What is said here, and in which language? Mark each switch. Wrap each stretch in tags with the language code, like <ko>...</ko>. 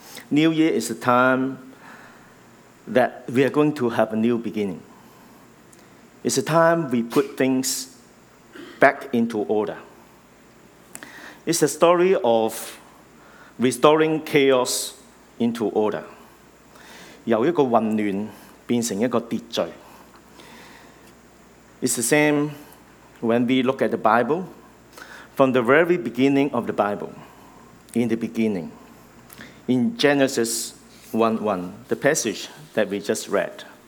<en>New Year is a time that we are going to have a new beginning. It's a time we put things back into order. It's a story of restoring chaos into order.</en> <zh>由一个混乱变成一个秩序。</zh> <en>It's the same when we look at the Bible. From the very beginning of the Bible, in the beginning, in Genesis 1:1, the passage that we just read.</en>